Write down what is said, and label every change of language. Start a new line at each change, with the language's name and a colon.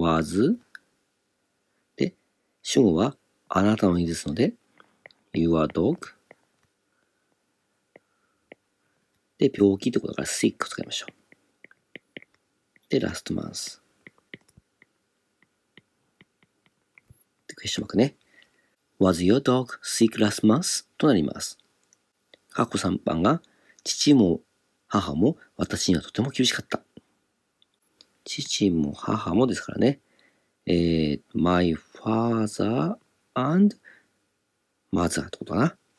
Japanese: was、主語はあなたの犬ですので、
English: your dog。
Japanese: で、病気ってことだから sick を使いましょう。で、
English: last month。
Japanese: で、クエスチョンマークね。
English: was your dog sick last month?
Japanese: となります。括弧3番が、父も母も私にはとても厳しかった。父も母もですからね。
English: my father and mother
Japanese: ってことかな。